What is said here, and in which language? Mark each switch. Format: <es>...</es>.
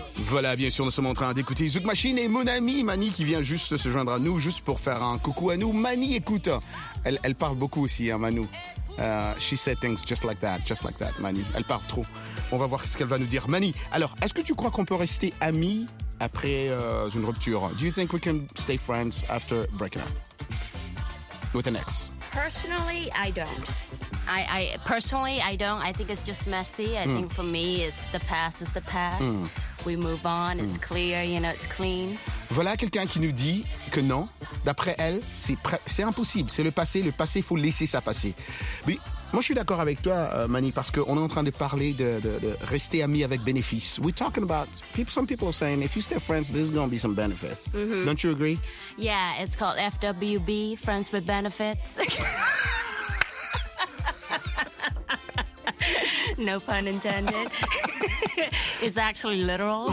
<fr>voilà, bien sûr, nous sommes en train d'écouter Zouk Machine et mon ami Mani qui vient juste se joindre à nous, juste pour faire un coucou à nous. Mani, écoute, elle parle beaucoup aussi, hein, Manu.</fr> <en>She said things just like that, Mani.</en> <fr>Elle parle trop. On va voir ce qu'elle va nous dire. Mani, alors, est-ce que tu crois qu'on peut rester amis après une rupture?</fr> <en>Do you think we can stay friends after breaking up? With an ex? Personally, I don't. I personally don't. I think it's just messy. I think for me, it's the past is the past. Mm. We move on, it's clear, you know, it's clean.</en> <fr>Voilà quelqu'un qui nous dit que non, d'après elle, c'est impossible, c'est le passé, il faut laisser ça passer. Mais moi, je suis d'accord avec toi, Mani, parce qu'on est en train de parler de rester amis avec bénéfices.</fr> <en>We're talking about, some people are saying, if you stay friends, there's going to be some benefits. Mm-hmm. Don't you agree? Yeah, it's called FWB, Friends with Benefits. No pun intended. It's actually literal.</en>